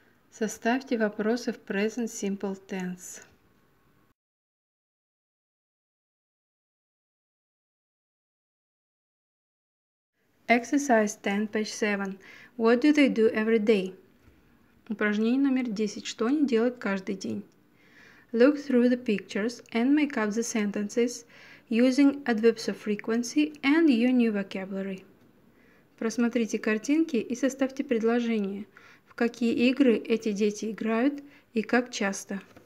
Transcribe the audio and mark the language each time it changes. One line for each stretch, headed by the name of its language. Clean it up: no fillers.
Russian: Составьте вопросы в present simple tense.
English: Exercise 10, page 7. What do they do every day?
Russian: Упражнение номер 10. Что они делают каждый день?
English: Look through the pictures and make up the sentences using adverbs of frequency and your new vocabulary.
Russian: Просмотрите картинки и составьте предложение. В какие игры эти дети играют и как часто?